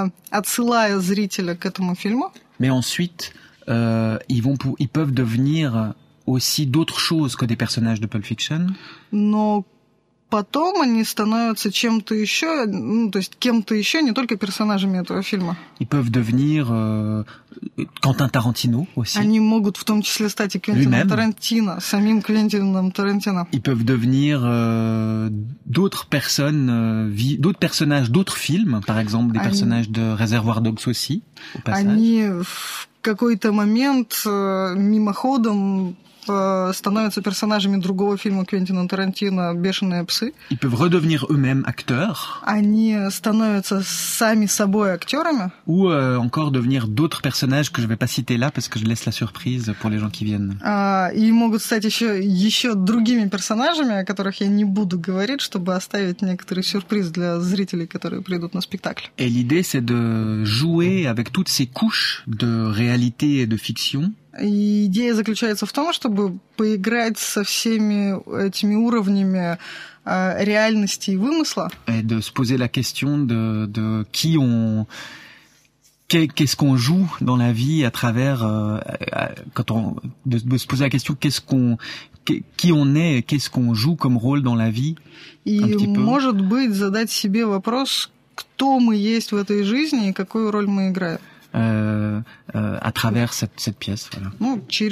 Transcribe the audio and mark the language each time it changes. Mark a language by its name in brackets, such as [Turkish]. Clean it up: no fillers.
[Russian] отсылая зрителя к этому фильму. [French] Mais ensuite... ils peuvent devenir aussi d'autres choses que des personnages de Pulp Fiction. [Russian] Но потом они становятся чем-то еще, то есть кем-то еще, не только персонажами этого фильма. [French] Ils peuvent devenir Quentin Tarantino aussi. [Russian] Они могут в том числе стать и Квентином Тарантино, самим Квентином Тарантино. [French] Ils peuvent devenir d'autres personnes, d'autres personnages d'autres films, par exemple des personnages de Reservoir Dogs aussi, au passage. [Russian] В какой-то момент мимоходом становятся персонажами другого фильма Квентина Тарантино «Бешеные псы». [French] Ils peuvent redevenir eux-mêmes acteurs. [Russian] Они становятся сами собой актерами. [French] Ou encore devenir d'autres personnages que je vais pas citer là parce que je laisse la surprise pour les gens qui viennent. [Russian] И могут стать еще другими персонажами, о которых я не буду говорить, чтобы оставить некоторый сюрприз для зрителей, которые придут на спектакль. [French] Et l'idée c'est de jouer avec toutes ces couches de réalité et de fiction. [Russian] И идея заключается в том, чтобы поиграть со всеми этими уровнями реальности и вымысла. [French] Et de se poser la question de qui on qu'est-ce qu'on joue dans la vie à travers quand on de se poser la question qu'est-ce qu'on qui on est, qu'est-ce qu'on joue comme rôle dans la vie. [Russian] И может быть задать себе вопрос, кто мы есть в этой жизни и какую роль мы играем. [French] À travers cette pièce, voilà.